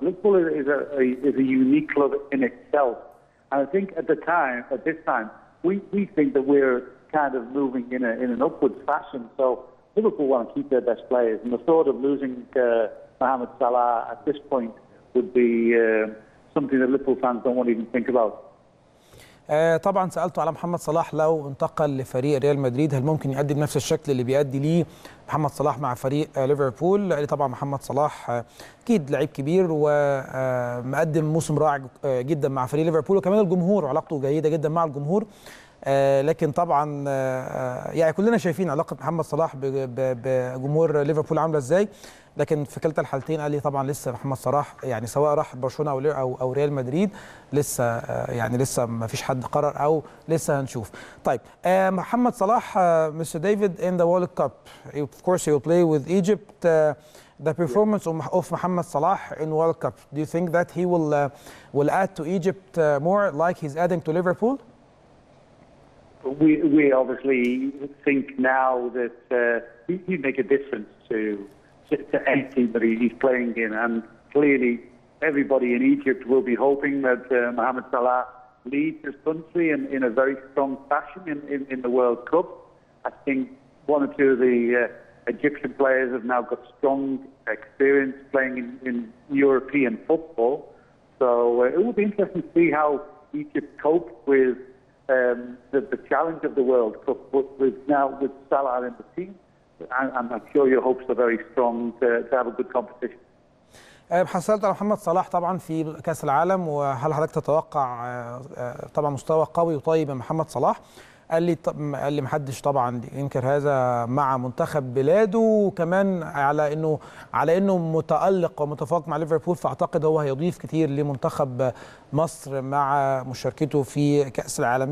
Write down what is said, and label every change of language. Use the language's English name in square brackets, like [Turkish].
[English] Liverpool is a unique club in itself. And I think at this time, we think that we're kind of moving in an upward fashion. So Liverpool want to keep their best players. And the thought of losing Mohamed Salah at this point would be something that Liverpool fans don't want to even think about. [Arabic] طبعا سالته على محمد صلاح لو انتقل لفريق ريال مدريد هل ممكن يؤدي بنفس الشكل اللي بيؤدي ليه محمد صلاح مع فريق ليفربول. قال لي طبعا محمد صلاح اكيد لعيب كبير ومقدم موسم رائع جدا مع فريق ليفربول, وكمان الجمهور علاقته جيده جدا مع الجمهور. لكن طبعا يعني كلنا شايفين علاقه محمد صلاح بجمهور ليفربول عامله ازاي, لكن في كلتا الحالتين قال لي طبعا لسه محمد صلاح يعني سواء راح برشلونه او ريال مدريد لسه يعني لسه ما فيش حد قرر او لسه هنشوف. طيب [English] محمد صلاح مستر ديفيد ان ذا وورلد كاب اوف كورس هي ويل بلاي وذ ايجيبت, ذا بيرفورمانس اوف محمد صلاح ان وورلد كاب دو يو ثينك ذات هي ويل اد تو ايجيبت مور لايك هيز ادينج تو ليفربول. We obviously think now that he make a difference to any team that he's playing in, and clearly everybody in Egypt will be hoping that Mohamed Salah leads his country in a very strong fashion in the World Cup. I think one or two of the Egyptian players have now got strong experience playing in European football, so it will be interesting to see how Egypt cope with the challenge of the World Cup, but with now with Salah in the team, I'm sure your hopes are very strong to have a good competition. [Arabic] حصلت على محمد صلاح طبعا في كأس العالم, وهل حضرتك تتوقع طبعا مستوى قوي وطيب من محمد صلاح؟ قال لي محدش طبعا ينكر هذا مع منتخب بلاده, وكمان على انه متألق ومتفوق مع ليفربول, فاعتقد هو هيضيف كثير لمنتخب مصر مع مشاركته في كأس العالم.